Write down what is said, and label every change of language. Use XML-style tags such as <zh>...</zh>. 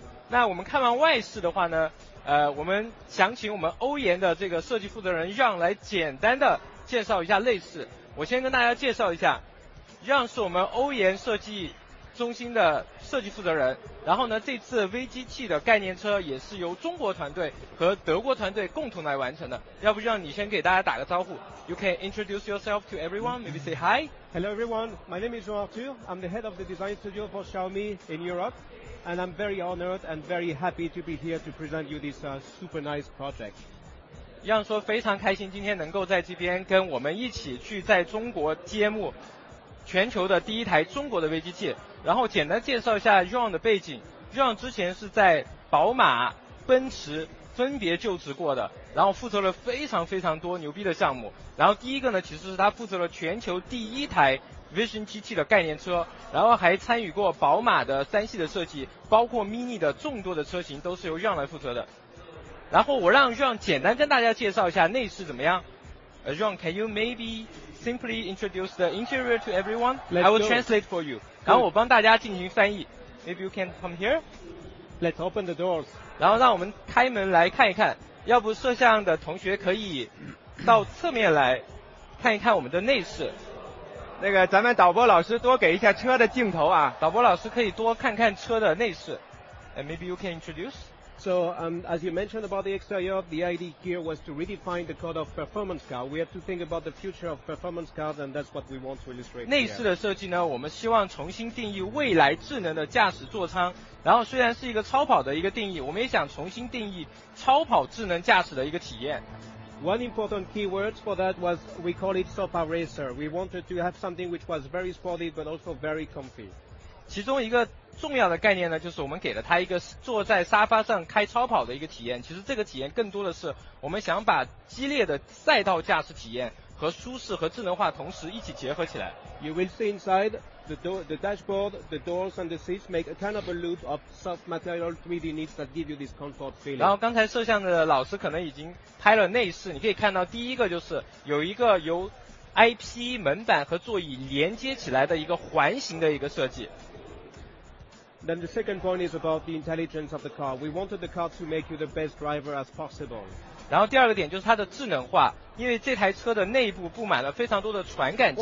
<zh>那我们看完外饰的话呢，我们想请我们欧颜的这个设计负责人让来简单的介绍一下内饰。我先跟大家介绍一下，让是我们欧颜设计中心的设计负责人，然后呢这次 VGT 的概念车也是由中国团队和德国团队共同来完成的。要不让你先给大家打个招呼。</zh> <en>You can introduce yourself to everyone, maybe say hi. Hello everyone, my name is Jean-Marc Thieu. I'm the head of the design studio for Xiaomi in Europe, and I'm very honored and very happy to be here to present you this super nice project.</en> <zh>让说非常开心今天能够在这边跟我们一起去在中国揭幕全球的第一台中国的 VGT。然后简单介绍一下 Ron 的背景。Ron 之前是在宝马、奔驰分别就职过的，然后负责了非常非常多牛逼的项目。然后第一个呢其实是他负责了全球第一台 Vision GT 的概念车，然后还参与过宝马的三系的设计，包括 Mini 的众多的车型都是由 Ron 来负责的。然后我让 Ron 简单跟大家介绍一下内饰怎么样。</zh> <en>Ron, can you maybe simply introduce the interior to everyone? Let's I will translate for you.</en> <zh>然后我帮大家进行翻译。</zh> <en>Maybe you can come here. Let's open the doors.</en> <zh>然后让我们开门来看一看。要不摄像的同学可以到侧面来看一看我们的内饰。那个咱们导播老师多给一下车的镜头啊。导播老师可以多看看车的内饰。</zh> <en>And maybe you can introduce. So, as you mentioned about the exterior, the idea here was to redefine the code of performance car. We have to think about the future of performance cars, and that's what we want to illustrate here.</en> <zh>内饰的设计呢，我们希望重新定义未来智能的驾驶座舱。然后虽然是一个超跑的一个定义，我们也想重新定义超跑智能驾驶的一个体验。</zh> <en>One important keyword for that was we call it sofa racer. We wanted to have something which was very sporty but also very comfy.</en> <zh>其中一个重要的概念呢，就是我们给了他一个坐在沙发上开超跑的一个体验。其实这个体验更多的是我们想把激烈的赛道驾驶体验和舒适和智能化同时一起结合起来。</zh> <en>You will see inside the door, the dashboard, the doors and the seats make a kind of a loop of soft material 3D needs that give you this comfort feeling.</en> <zh>然后刚才摄像的老师可能已经拍了内饰，你可以看到第一个就是有一个由 IP 门板和座椅连接起来的一个环形的一个设计。</zh> <en>Then the second point is about the intelligence of the car. We wanted the car to make you the best driver as possible.</en> <zh>然后第二个点就是它的智能化，因为这台车的内部布满了非常多的传感器。</zh>